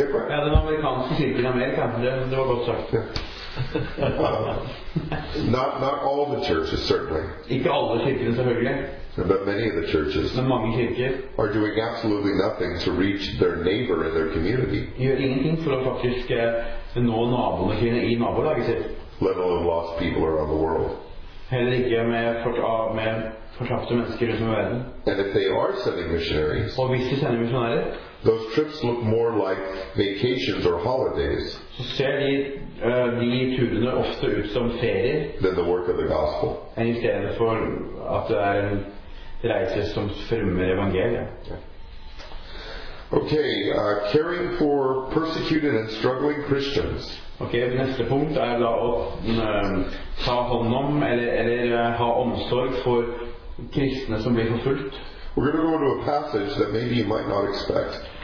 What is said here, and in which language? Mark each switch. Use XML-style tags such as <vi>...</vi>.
<no>Ja, den amerikanske kirken I Amerika, det var godt sagt.</no> <en>not all the churches certainly.</en> <no>Ikke alle kirkene selvfølgelig.</no> <en>But many of the churches.</en> <no>Men mange kirker.</no> <en>Are doing absolutely nothing to reach their neighbor in their community.</en> <no>Gjør ingenting for å faktisk nå naboene sine I nabolaget sitt.</no> <en>Let alone lost people around the world.</en> <no>Heller ikke med fortapte mennesker rundt om I verden.</no> <en>And if they are sending missionaries.</en> <no>Og hvis de sender misjonærer.</no> <en>Those trips look more like vacations or holidays.</en> <no>Så ser de turene ofte ut som ferier.</no> <en>Than the work of the gospel.</en> <no>Enn I stedet for at det en reise som fremmer evangeliet.</no> <en>Okay, caring for persecuted and struggling Christians.</en> <no>Okay, neste punkt da å ta hånd om eller ha omsorg for kristne som blir forfulgt.</no> <en>We're going to go to a passage that maybe you might not expect.</en>